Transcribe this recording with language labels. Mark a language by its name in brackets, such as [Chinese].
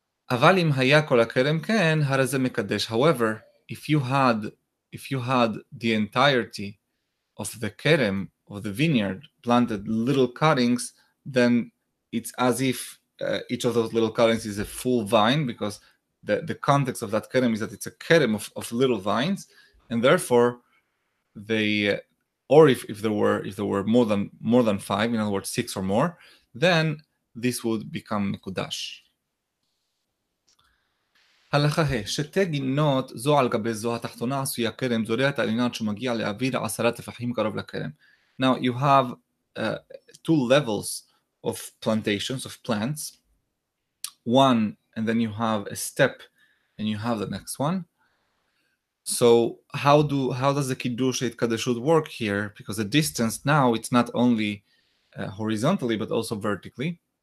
[Hebrew] Avalim haya kol hakerem ken, hara ze mekadesh. [English] However, if you had the entirety of the kerem, of the vineyard, planted little cuttings, then it's as if each of those little cuttings is a full vine, because the context of that kerem is that it's a kerem of little vines, and therefore they, or if there were more than five, in other words six or more, then this would become mekudash. [Hebrew] הלכה ה, שתי גינות זו על גבי זו התחתונה עשויה קרם, זורע את העלינן שמגיע לאוויר עשרה תפחים קרוב לקרם. [English] Now you have two levels of plantations, of plants. One, and then you have a step, and you have the next one. So how does the Kiddush Kadeshut work here? Because the distance now, it's not only horizontally, but also vertically.